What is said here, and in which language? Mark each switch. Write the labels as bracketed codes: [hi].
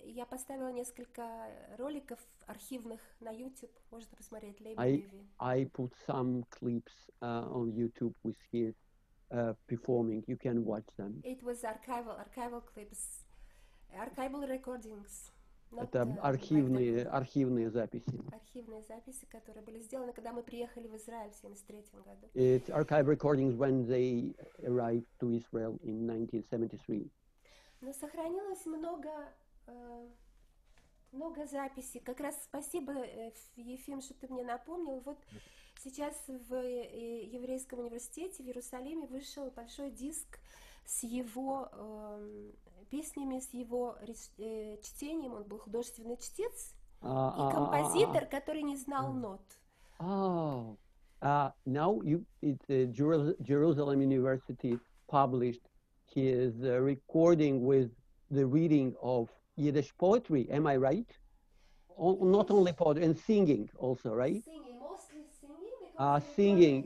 [ru] Я поставила несколько роликов архивных на YouTube. Можно посмотреть. [en] I put some clips on YouTube with his performing. You can watch them. It was archival clips, archival recordings. [ru] Это архивные записи. Архивные записи, которые были сделаны, когда мы приехали в Израиль в 73 году. [en] It's archive recordings when they arrived to Israel in 1973. [ru] Но сохранилось много Много записей. Как раз спасибо, Ефим, что ты мне напомнил. Вот сейчас в Еврейском университете в Иерусалиме вышел большой диск с его песнями, с его чтением. Он был художественный чтец и композитор, который не знал нот. [en] Now Jerusalem University published his recording with the reading of Yiddish poetry. Am I right? Not only poetry and singing also, right? Singing, mostly singing.